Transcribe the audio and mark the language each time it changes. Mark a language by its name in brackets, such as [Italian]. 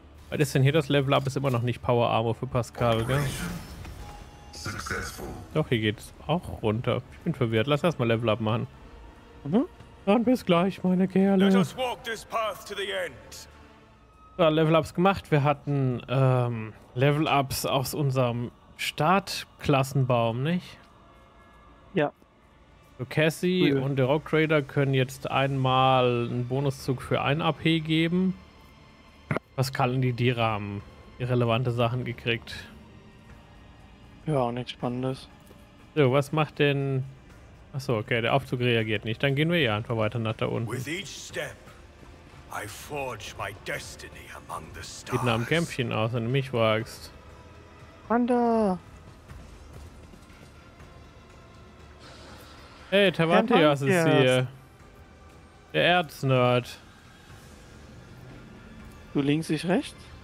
[German] Was ist denn hier das Level-Up? Ist immer noch nicht Power-Armor für Pascal, gell? Doch, hier geht's auch runter. Ich bin verwirrt. Lass erstmal Level Up machen. Dann bis gleich, meine Kerle. [English] Let us walk this path to the end. [German] So, Level Ups gemacht. Wir hatten Level Ups aus unserem Startklassenbaum, nicht? Ja. So, Cassie und der Rock Raider können jetzt einmal einen Bonuszug für ein AP geben. Pascal und die Dira haben irrelevante Sachen gekriegt. Ja, auch nichts Spannendes. So, was macht denn... Achso, okay, der Aufzug reagiert nicht. Dann gehen wir ja einfach weiter nach da unten. [English] With each step, I forge my destiny among the stars. [German] Sieht nach einem Kämpfchen aus, wenn du mich fragst. Wanda! Hey, Tavantias ist hier. Der Erznerd. Du links, ich rechts?